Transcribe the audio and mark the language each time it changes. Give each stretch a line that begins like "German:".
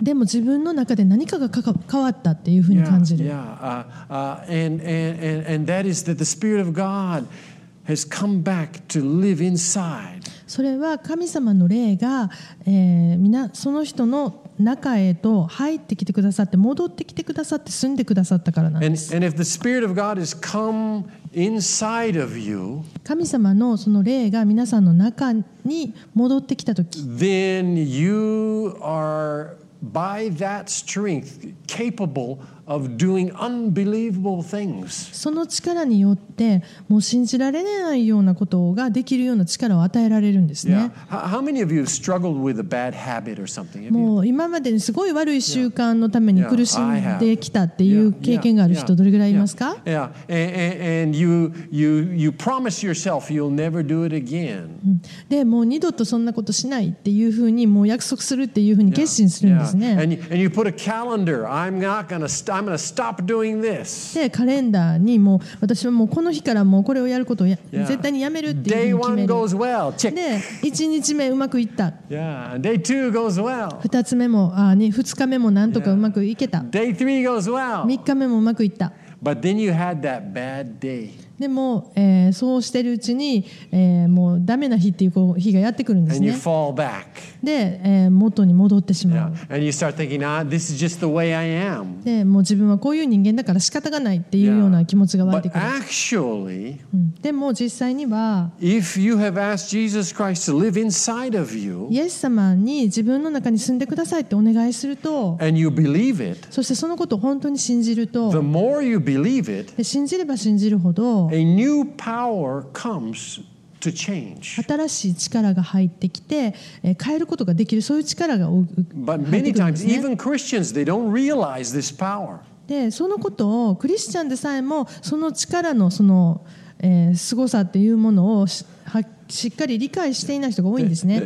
Japanese: でも自分の中で何かが変わったっていうふうに感じる。
English: And that is that the Spirit of God has come back to live inside.
Japanese: それは神様の霊が、みなその人の中へと入ってきてくださって戻ってきてくださって住んでくださったからなんです。
English: And if the Spirit of God has come inside of you,
Japanese: 神様のその霊が皆さんの中に戻ってきたとき、
English: then you are by that strength capableOf doing unbelievable things.
Japanese: その力によってもう信じられないようなことができるような力を与えられるんですね。
English: Yeah. How many of you have struggled with a bad habit or something?
Japanese: もう今までにすごい悪い習慣のために苦しんできたっていう経験がある人どれぐらいいますか？
English: And you promise yourself you'll never do it again.
Japanese: でもう二度とそんなことしないっていうふうにもう約束するっていうふうに決心するんでですね。
English: And you put a calendar. I'm gonna stop doing this.
Japanese: で、カレンダーにもう私はもうこの日からもうこれをやることをや、yeah. 絶対にやめるっていうふうに決める。
English: Day one goes well. Check.
Japanese: で、1日目うまくいった。
English: Yeah. Day two goes well.
Japanese: 2つ目も、2日目もなんとかうまくいけた。
English: Day three goes well.
Japanese: 3日目もうまくいった。
English: But then you had that bad day.
Japanese: でも、そうしてるうちに、もうダメな日っていう日がやってくるんですね。
English: And you fall back.
Japanese: で、元に戻ってしまう。
English: Yeah. And you start thinking, ah, this is just the way I am.
Japanese: で、もう自分はこういう人間だから仕方がないっていうような気持ちが湧いてくる。
English: But actually,
Japanese: でも実際には、
English: If you have asked Jesus Christ to live inside of you,
Japanese: イエス様に自分の中に住んでくださいってお願いすると、
English: And you believe it,
Japanese: そしてそのことを本当に信じると、
English: The more you believe it,
Japanese: 信じれば信じるほど、
English: A new power comes to change.
Japanese: 新しい力が入ってきて、変えることができるそういう力が入ってくるんですね。
English: But many times, even Christians, they don't realize this power.
Japanese: で、そのことをクリスチャンでさえもその力のその、すごさっていうものをしっかり理解していない人が多いんですね。